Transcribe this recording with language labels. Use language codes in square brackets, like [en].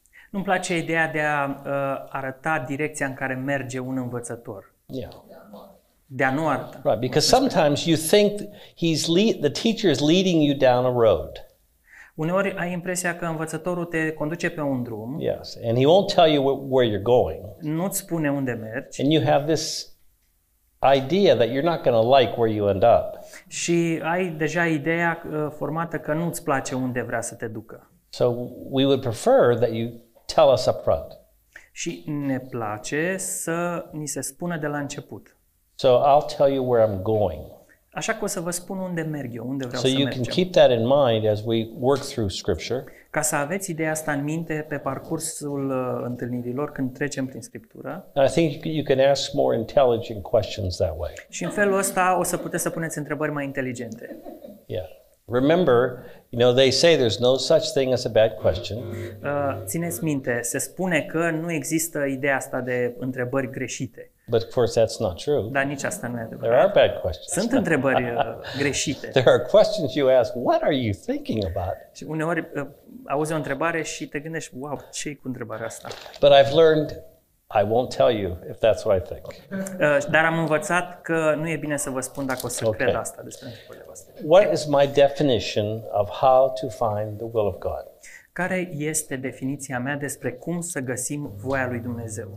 [ro] Nu-mi place ideea de a arăta direcția în care merge un învățător. [en] Yeah. [ro] De a nu arăta. [en] Right, because sometimes you think the teacher is leading you down a road. [ro] Uneori ai impresia că învățătorul te conduce pe un drum. [en] Yes, and he won't tell you where you're going. [ro] Nu-ți spune unde mergi. [en] And you have this idea that you're not going to like where you end up. [ro] Și ai deja ideea formată că nu-ți place unde vrea să te ducă. [en] So we would prefer that you tell us up front. [ro] Și ne place să ni se spună de la început. [en] So I'll tell you where I'm going. [ro] Așa că o să vă spun unde merg eu, unde vreau să merg. [en] So you can keep that in mind as we work through scripture. [ro] Ca să aveți ideea asta în minte pe parcursul întâlnirilor când trecem prin scriptură. [en] I think you can ask more intelligent questions that way. [ro] Și în felul ăsta o să puteți să puneți întrebări mai inteligente. [en] Yeah. Remember, you know, they say there's no such thing as a bad question. [ro] Țineți minte, se spune că nu există ideea asta de întrebări greșite. [en] But of course that's not true. [ro] Dar nici asta nu e adevărat. [en] There are bad questions. [ro] Sunt întrebări greșite. [en] There are questions you ask, what are you thinking about? [ro] Și uneori auzi o întrebare și te gândești, wow, ce e cu întrebarea asta? [en] But I've learned I won't tell you if that's what I think. [ro] Dar am învățat că nu e bine să vă spun dacă o să cred asta despre întrebările voastre. [en] What is my definition of how to find the will of God? [ro] Care este definiția mea despre cum să găsim voia lui Dumnezeu?